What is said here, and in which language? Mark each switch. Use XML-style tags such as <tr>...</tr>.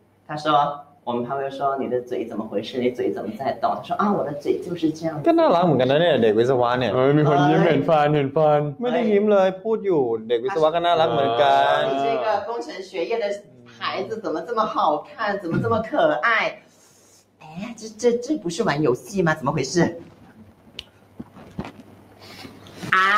<zh>他说我们朋友说你的嘴怎么回事你嘴怎么在动他说啊我的嘴就是这样</zh> <th>ก็น่ารักเหมือนกันนะเนี่ยเด็กวิศวะเนี่ย เออมีคนยิ้มเห็นฟันเห็นฟัน ไม่ได้ยิ้มเลยพูดอยู่เด็กวิศวะก็น่ารักเหมือนกัน</th> <zh>你这个工程学院的孩子怎么这么好看怎么这么可爱哎这不是玩游戏吗怎么回事啊</zh>